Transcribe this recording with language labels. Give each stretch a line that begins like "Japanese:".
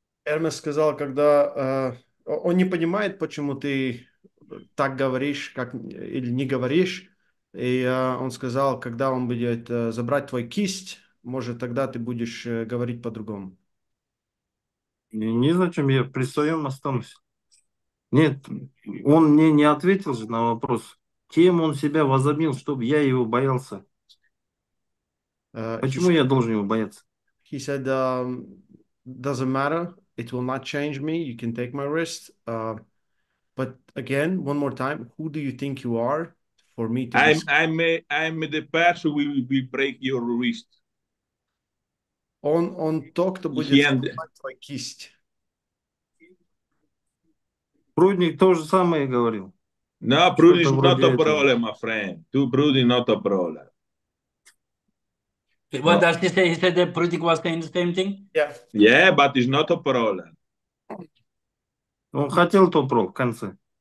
Russian: Hermes сказал, когда он не понимает, почему ты так говоришь, как или не говоришь, и он сказал, когда он будет забрать твой кисть, может тогда ты будешь говорить по-другому. Не знаю, чем я при своем останусь. Нет, он мне не ответил же на вопрос, кем он себя возомнил, чтобы я его боялся. Почему я должен его бояться?
English: He said, doesn't matter, it will not change me, you can take my wrist. But again, one more time, who do you think you are for me to... I'm the person who will break your wrist.
Russian: Он то, кто будет твою кисть. Прудник то же самое говорил.
English: No, Prudnik is not a problem, my friend. To Prudnik not a problem. What does he say? He said that Prudnik was saying the same thing? Yeah. Yeah, but it's not a problem.
Russian: Он хотел топ-рол в конце.